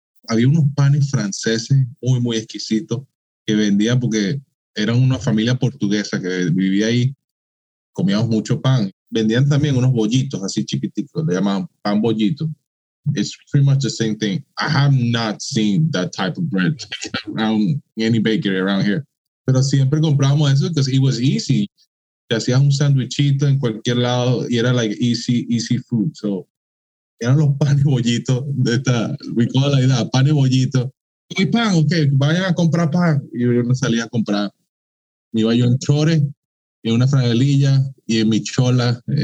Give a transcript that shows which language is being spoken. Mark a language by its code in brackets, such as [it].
[es] Había unos panes franceses muy muy exquisitos que vendían porque eran una familia portuguesa que vivía ahí. Comíamos mucho pan. Vendían también unos bollitos así chiquiticos. Le llamaban pan bollito. [en] It's pretty much the same thing. I have not seen that type of bread around any bakery around here. [es] Pero siempre comprábamos eso [en] because it was easy. [es] Te hacías un sandwichito en cualquier lado y era [en] like easy food. [es] So eran los panes bollitos de esta, [en] we call it like that, [es] panes bollitos. Y pan, okay, vayan a comprar pan. Y yo no salía a comprar. Me iba yo en chores, en una franelilla y en mi chola.